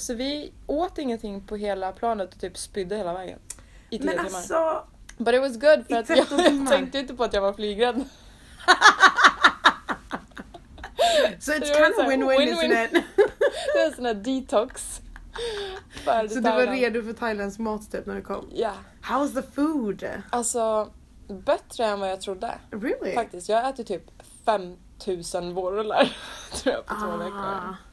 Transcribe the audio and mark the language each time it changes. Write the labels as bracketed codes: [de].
[sv] Så vi åt ingenting på hela planet och typ spydde hela vägen. I 3 timmar. Men alltså. [en] But it was good [sv] för att jag tänkte inte på att jag var flygrädd. [en] So it's kind of win-win, isn't it? [sv] Det är en sån detox. Så du var redo för Thailands mat typ när du kom? Ja. Yeah. [en] How was the food? [sv] Alltså, bättre än vad jag trodde. [en] Really? [sv] Faktiskt, jag äter typ 5000 vårrullar, tror jag, på 2 veckor.